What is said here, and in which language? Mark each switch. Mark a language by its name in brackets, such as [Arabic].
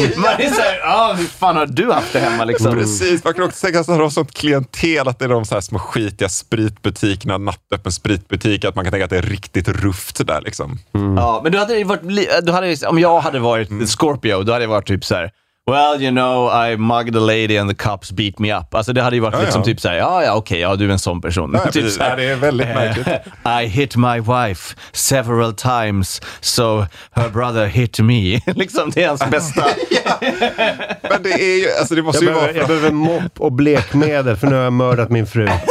[Swedish] Man är såhär, hur fan har du haft det hemma liksom? Precis, man kan också tänka sig att de har sånt klientel att det är de såhär små skitiga spritbutikerna, nattöppen spritbutik, att man kan tänka att det är riktigt ruft där liksom. Mm. Ja, men om jag hade varit Scorpio, då hade jag varit typ så här. [English] Well, you know, I mugged a lady and the cops beat me up. [Swedish] Alltså det hade ju varit typ såhär, okej, du är en sån person. Nej, typ så här, det är väldigt märkligt. [English] I hit my wife several times, so her brother hit me. [Swedish] Liksom, det är hans bästa. Ja. Men det är ju, alltså det måste ju vara... Jag behöver mopp och blekmedel, för nu har jag mördat min fru.